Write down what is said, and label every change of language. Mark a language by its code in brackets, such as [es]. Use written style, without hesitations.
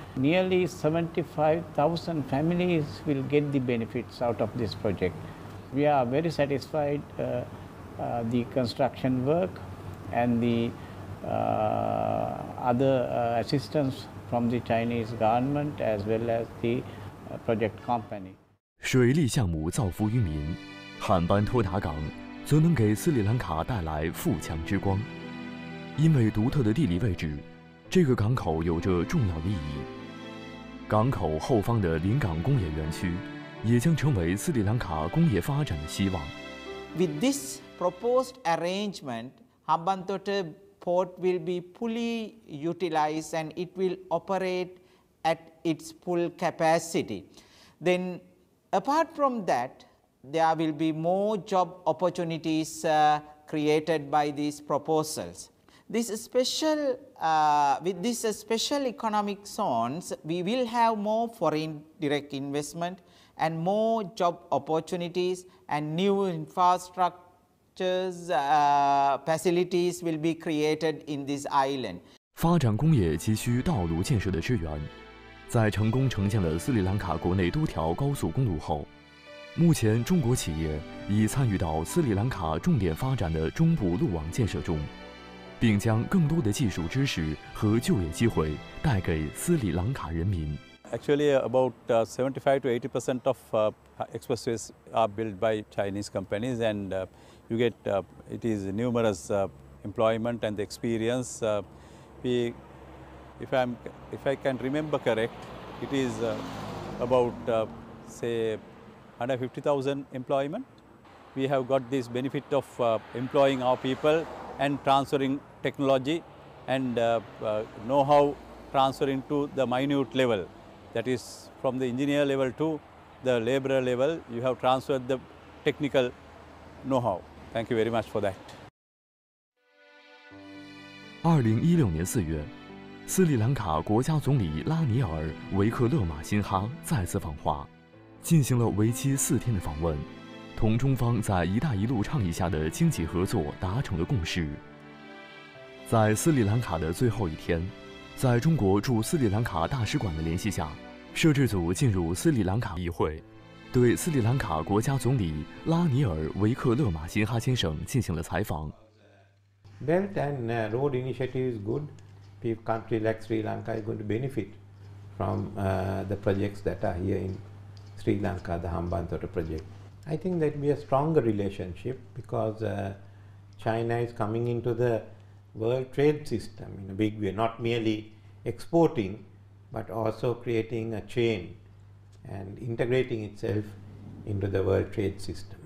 [en] Nearly 75,000 families will get the benefits out of this project. We are very satisfied the construction work and the other assistance from the Chinese government as well as the project company. [zh] 水利项目造福于民，汉班托达港则能给斯里兰卡带来富强之光。因为独特的地理位置，这个港口有着重要意义。港口后方的临港工业园区也将成为斯里兰卡工业发展的希望。 [en] With this proposed arrangement, Hambantota port will be fully utilized and it will operate at its full capacity. ThenApart from that, there will be more job opportunities created by these proposals. With this special economic zones, we will have more foreign direct investment and more job opportunities and new infrastructures, facilities will be created in this island. [zh] 发展工业急需道路建设的支援。在成功呈现了斯里兰卡国内多条高速公路后，目前中国企业已参与到斯里兰卡重点发展的中部路网建设中，并将更多的技术知识和就业机会带给斯里兰卡人民。 [en] Actually, about 75 to 80% of expressways are built by Chinese companies, and you get it is numerous employment and experience. If I can remember correct, it is about, say, 150,000 employment. We have got this benefit of employing our people and transferring technology and know-how transferring to the minute level. That is from the engineer level to the laborer level, you have transferred the technical know-how. Thank you very much for that. [zh] 2016年4月，斯里兰卡国家总理拉尼尔·维克勒马辛哈再次访华，进行了为期4天的访问，同中方在“一带一路”倡议下的经济合作达成了共识。在斯里兰卡的最后一天，在中国驻斯里兰卡大使馆的联系下，摄制组进入斯里兰卡议会，对斯里兰卡国家总理拉尼尔·维克勒马辛哈先生进行了采访。 [en] Belt and Road Initiative is good. Country like Sri Lanka is going to benefit from the projects that are here in Sri Lanka, the Hambantota project. I think that will be a stronger relationship because China is coming into the world trade system in a big way, not merely exporting, but also creating a chain and integrating itself into the world trade system.